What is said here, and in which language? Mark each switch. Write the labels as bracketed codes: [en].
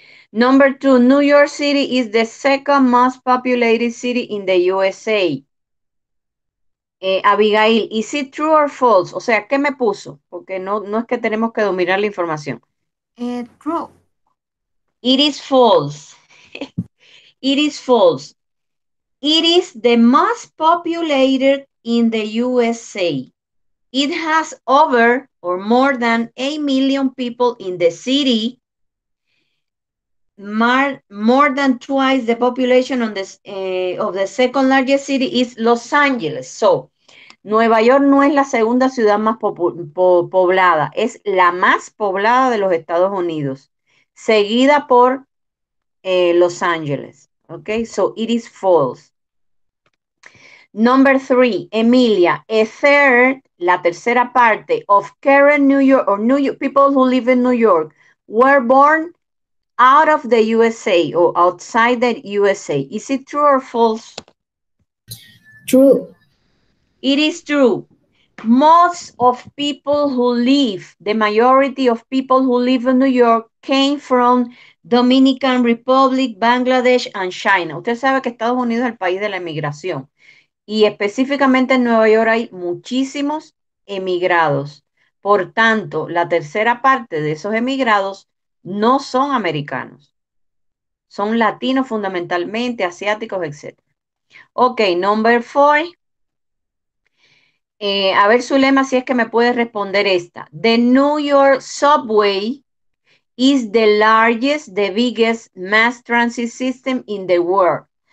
[en] Number two, New York City is the second most populated city in the USA. Abigail, is it true or false? [es] O sea, ¿qué me puso? Porque no es que tenemos que dominar la información. [en] True. It is false. It is false. It is the most populated in the USA. It has over or more than 8 million people in the city, more than twice the population on this, of the second largest city is Los Angeles. [es] So, Nueva York no es la segunda ciudad más poblada, es la más poblada de los Estados Unidos, seguida por Los Angeles. [en] Okay, so it is false. Number three, Emilia, a third, [es] la tercera parte [en] of current New York or New York people who live in New York were born out of the USA or outside the USA. Is it true or false? True. It is true. Most of people who live, the majority of people who live in New York came from Dominican Republic, Bangladesh, and China. [es] Usted sabe que Estados Unidos es el país de la emigración. Y específicamente en Nueva York hay muchísimos emigrados. Por tanto, la tercera parte de esos emigrados no son americanos. Son latinos fundamentalmente, asiáticos, etc. [en] Ok, number four. [es] A ver su lema, si es que me puede responder esta. [en] The New York subway is the largest, the biggest mass transit system in the world.